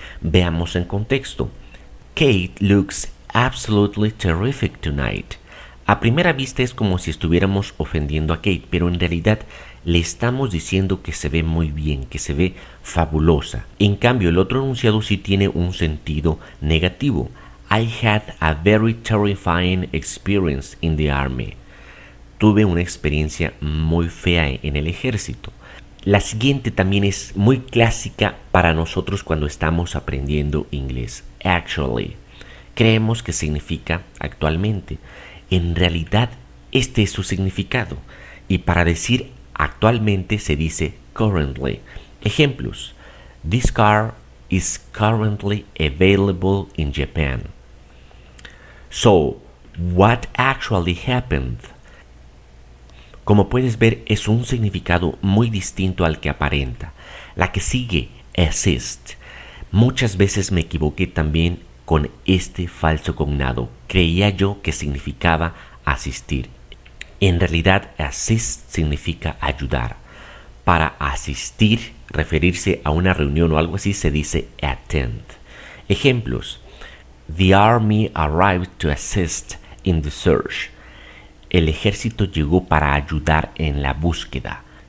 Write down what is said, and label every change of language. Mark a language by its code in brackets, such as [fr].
[es] Veamos en contexto. [en] Kate looks absolutely terrific tonight. [es] A primera vista es como si estuviéramos ofendiendo a Kate, pero en realidad le estamos diciendo que se ve muy bien, que se ve fabulosa. En cambio, el otro enunciado sí tiene un sentido negativo. [en] I had a very terrifying experience in the army. [es] Tuve una experiencia muy fea en el ejército. La siguiente también es muy clásica para nosotros cuando estamos aprendiendo inglés. Actually. Creemos que significa actualmente. En realidad, este es su significado. Y para decir actualmente se dice currently. Ejemplos. [en] This car is currently available in Japan. So, what actually happened? [es] Como puedes ver, es un significado muy distinto al que aparenta. La que sigue, assist. Muchas veces me equivoqué también con este falso cognado. Creía yo que significaba asistir. En realidad, assist significa ayudar. Para asistir, referirse a una reunión o algo así, se dice attend. Ejemplos. [en] The army arrived to assist in the search. [es] El ejército llegó para ayudar en la búsqueda.